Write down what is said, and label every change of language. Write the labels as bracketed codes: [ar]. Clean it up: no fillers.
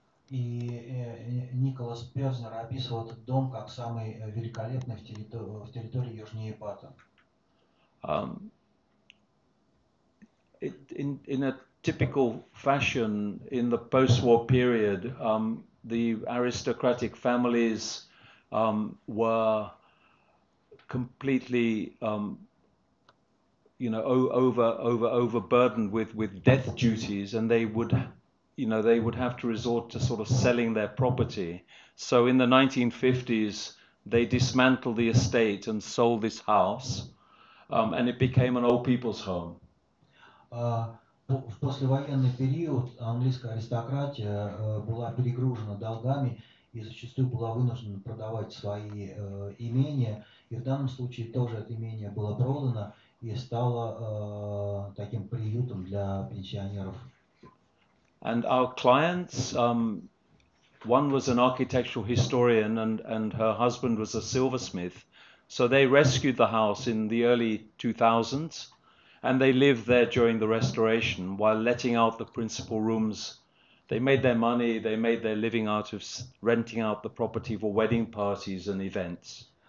[ru] И Николас Пёрзнер описывал этот дом как самый великолепный в территории Южнее Бата. [en] In a typical fashion, in the post-war period, the aristocratic families were completely, overburdened with death duties, and they would... they would have to resort to sort of selling their property. So in the 1950s, they dismantled the estate and sold this house, and it became an old people's home. [ru] В послевоенный период английская аристократия была перегружена долгами и зачастую была вынуждена продавать свои имения. И в данном случае тоже это имение было продано и стало таким приютом для пенсионеров. [en] And our clients, One was an architectural historian, and her husband was a silversmith. So they rescued the house in the early 2000s, and they lived there during the restoration while letting out the principal rooms. They made their money, they made their living out of renting out the property for wedding parties and events.